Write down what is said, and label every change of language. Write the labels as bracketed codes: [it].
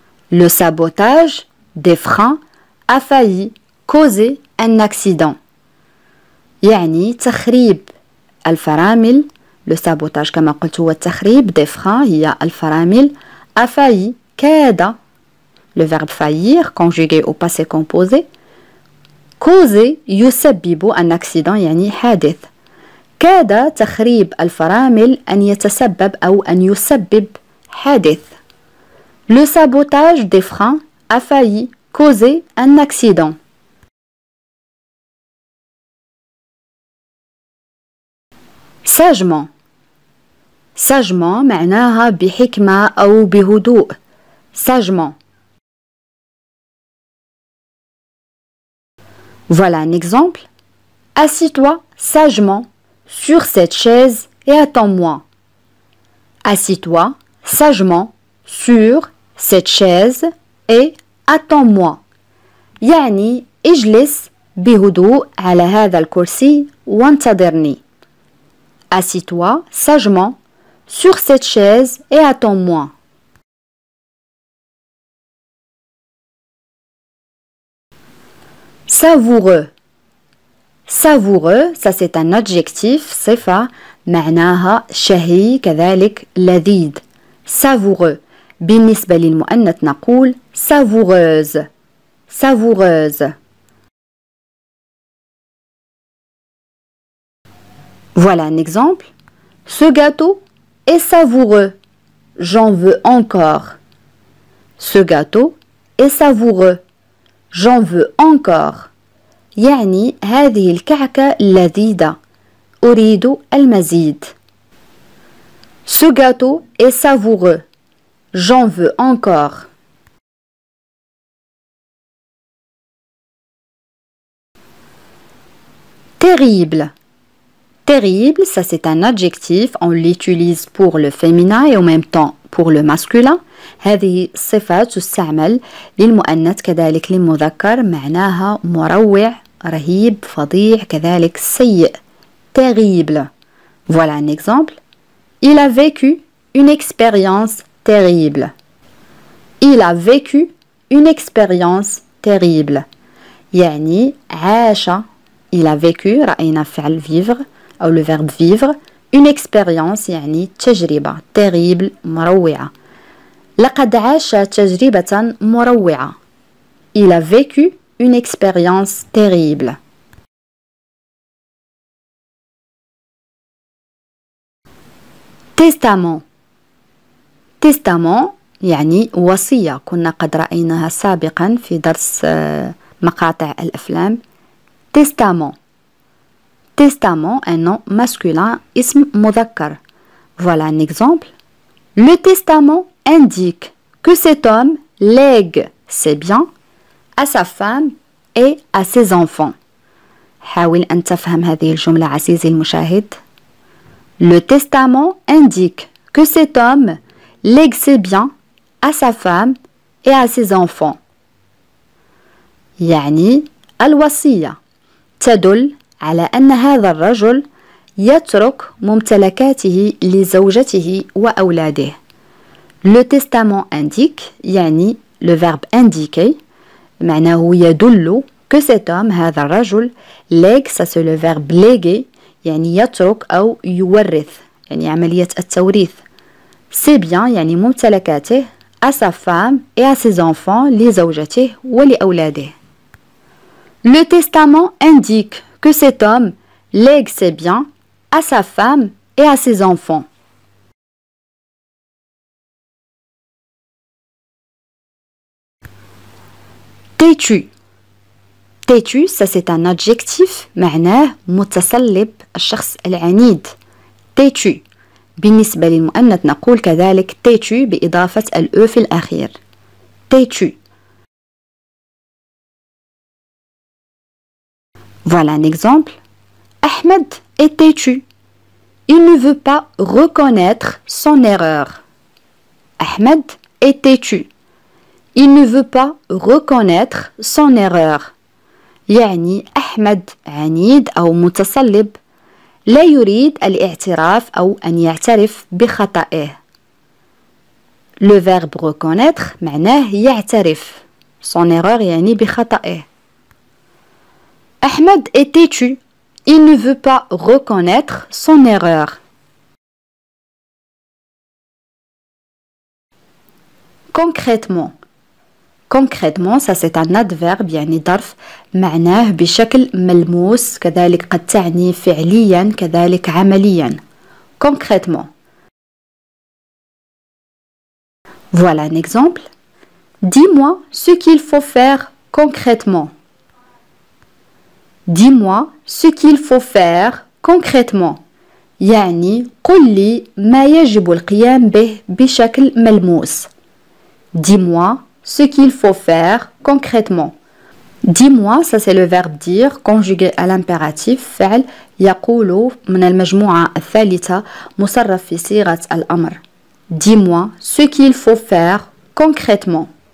[fr] Le sabotage des freins a failli causer un accident. [ar] يعني تخريب الفرامل. [fr] Le sabotage, [ar] كما قلت هو التخريب [fr] des freins, [ar] هي الفرامل, [fr] a failli, [ar] كاد, [fr] le verbe faillir, conjugué au passé composé. Causer, [ar] يسبب [fr] un accident, [ar] يعني حادث. كاد تخريب الفرامل أن يتسبب أو أن يسبب حادث. [fr] Le sabotage des freins a failli causer un accident. Sagement. [ar] Sagement معناها بحكمة أو بهدوء. [fr] Sagement. Voilà un exemple. Assis-toi sagement sur cette chaise et attends-moi. Assis-toi sagement sur cette chaise et attends-moi. [ar] يعني اجلس بهدوء على هذا الكرسي وانتظرني. [fr] Assis-toi sagement sur cette chaise et attends-moi. Savoureux. Savoureux, ça c'est un adjectif, sifa, [ar] معناها شهي كذلك لذيذ. [fr] Savoureux. [ar] بالنسبة للمؤنث نقول savoureuse. [fr] Savoureuse. Voilà un exemple. Ce gâteau est savoureux. J'en veux encore. Ce gâteau est savoureux. J'en veux encore. [ar] يعني هذه الكعكة لذيذة. أريد المزيد. [fr] Ce gâteau est savoureux. J'en veux encore. Terrible. Terrible, ça c'est un adjectif, on l'utilise pour le féminin et en même temps pour le masculin. [ar] هذه صفة تستعمل للمؤنث كذلك للمذكر معناها مروع, رهيب, فظيع, كذلك سيء. [fr] Terrible. Voilà un exemple. Il a vécu une expérience terrible. Il a vécu une expérience terrible. [ar] يعني عاش. [fr] Il a vécu, [ar] رأينا فعل [fr] vivre. Ou le verbe vivre, une expérience, [ar] يعني تجربة, [fr] terrible, [ar] مروعة. لقد عاش تجربة مروعة. [fr] Il a vécu une expérience terrible. Testament. [ar] Testament, يعني وصية, كنا قد رأيناها سابقا في درس مقاطع الأفلام. [fr] Testament. Testament, un nom masculin, [ar] ism mudhakkar. [fr] Voilà un exemple. Le testament indique que cet homme lègue ses biens à sa femme et à ses enfants. [ar] حاول أن تفهم هذه الجملة عزيزي المشاهد. [fr] Le testament indique que cet homme lègue ses biens à sa femme et à ses enfants. [ar] يعني الوصية تدل على أن هذا الرجل يترك ممتلكاته لزوجته وأولاده. [fr] Le testament indique, [ar] يعني [fr] le verbe indiquer, [ar] معناه يدل [fr] que cet homme, [ar] هذا الرجل, [fr] lègue, ça c'est le verbe léguer, [ar] يعني يترك أو يورث, يعني عملية التوريث. [fr] C'est bien, [ar] يعني ممتلكاته, [fr] à sa femme et à ses enfants, [ar] لزوجته ولأولاده. [fr] Le testament indique que cet homme lègue ses biens à sa femme et à ses enfants. Têtu. Têtu, ça c'est un adjectif, [ar] معناه متسلب, الشخص العنيد. [fr] Têtu. [ar] بالنسبة للمؤنث نقول كذلك têtu بإضافة الأ في الأخير. [fr] Têtu. Voilà un exemple. Ahmed est têtu. Il ne veut pas reconnaître son erreur. Ahmed est têtu. Il ne veut pas reconnaître son erreur. [ar] يعني أحمد عنيد أو متسلب لا يريد الاعتراف أو أن يعترف بخطأه. [fr] Le verbe reconnaître [ar] معناه يعترف. [fr] Son erreur [ar] يعني بخطأه. [fr] Ahmed est têtu. Il ne veut pas reconnaître son erreur. Concrètement. concrètement, ça c'est un adverbe, [ar] يعني ظرف, معناه بشكل ملموس, كذلك قد تعني فعليا, كذلك عمليا. [fr] Concrètement. Voilà un exemple. Dis-moi ce qu'il faut faire concrètement. Dis-moi ce qu'il faut faire concrètement. [ar] يعني قل لي ما يجب القيام به بشكل ملموس. [fr] Dis-moi ce qu'il faut faire concrètement. Dis-moi, ça c'est le verbe dire conjugué à l'impératif [ar] فعل يقول من المجموعة الثالثة مصرف في صيغة الأمر. [fr] Dis-moi ce qu'il faut faire concrètement.